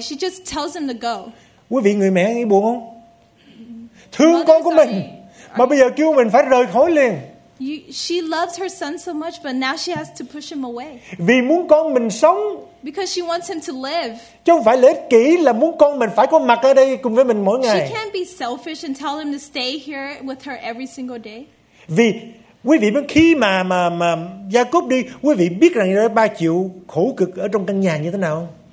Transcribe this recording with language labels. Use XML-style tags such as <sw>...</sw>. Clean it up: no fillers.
<en>She just tells him to go.</en> <vi>Quý vị người mẹ nghĩ buồn không? Thương con của mình mà bây giờ kêu mình phải rời khỏi liền.</vi> <en>She loves her son so much, but now she has to push him away.</en> <vi>Vì muốn con mình sống.</vi> <en>Because she wants him to live.</en> <vi>Chứ không phải lợi ích kỷ là muốn con mình phải có mặt ở đây cùng với mình mỗi ngày.</vi> <en>She can't be selfish and tell him to stay here with her every single day.</en> <vi>Vì quý vị biết khi mà Jacob đi, quý vị biết rằng ba chịu khổ cực ở trong căn nhà như thế nào.</vi>